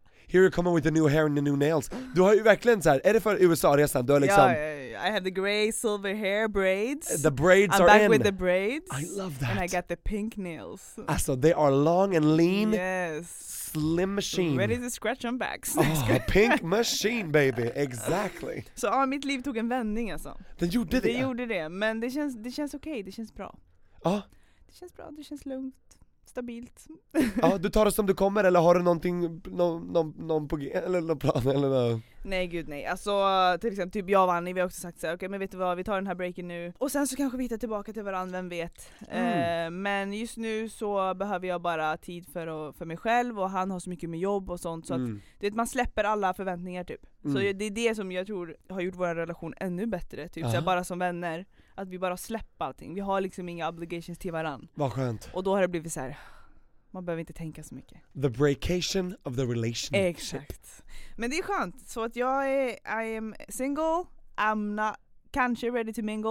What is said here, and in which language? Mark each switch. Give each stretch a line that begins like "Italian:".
English: Here you're coming with the new hair and the new nails.
Swedish: Du har ju verkligen så här, är det för USA-resan? Du har liksom...
English: Ja, I have the gray silver hair braids. The braids I'm are back in. With the braids. I love that. And I got the pink nails. Alltså, they are long and lean. Yes. Slim machine. Ready to scratch on backs. Oh, pink machine baby. Exactly.
Swedish: Så mitt liv tog en vändning alltså. Den gjorde det. Det gjorde det, men det känns okej, det känns bra. Ja. Det känns bra, det känns lugnt. Stabilt. Ja, du tar det som du kommer eller har du någonting någon på eller någon plan eller något? Nej, gud nej. Alltså till exempel typ jag och Annie, vi har också sagt så här, okej, men vet du vad, vi tar den här breaken nu och sen så kanske vi hittar tillbaka till varandra, vem vet. Men just nu så behöver jag bara tid för mig själv och han har så mycket med jobb och sånt så att du vet, man släpper alla förväntningar typ. Mm. Så det är det som jag tror har gjort vår relation ännu bättre typ. Uh-huh. Så bara som vänner. Att vi bara släpper allting. Vi har liksom inga obligations till varann. Vad skönt. Och då har det blivit så här. Man behöver inte tänka så mycket.
English: The breakation of the relationship.
Swedish: Exakt. Men det är skönt. Så att jag är,
English: I am single. I'm not, kanske ready to mingle.